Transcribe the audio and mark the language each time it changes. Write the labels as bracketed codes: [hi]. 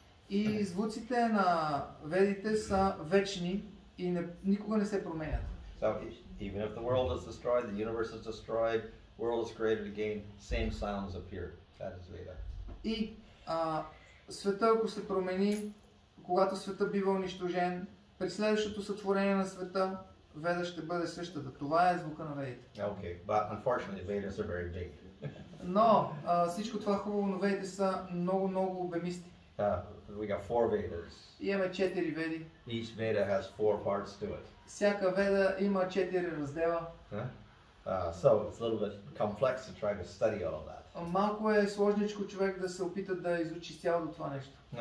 [bg] И звуците на ведите са вечни и никога не се променят. [en] So even if the world is destroyed, the universe is destroyed, world is created again, same sounds appear. That is Veda. [bg] И света, ако се промени, когато света бива унищожен, при следващото сътворение на света, Веда ще бъде същата. Това е звука на ведите. [en] Okay, but unfortunately Vedas are very big. [bg] Но всичко това хубаво, но ведите са много, много обемисти. [en] We got four Vedas. [bg] Имаме четири веди. [en] Each Veda has four parts to it. [bg] Всяка веда има четири раздела. [en] So it's a little bit complex to try to study all of that. [bg] Малко е сложничко човек да се опита да изучи цялото това нещо.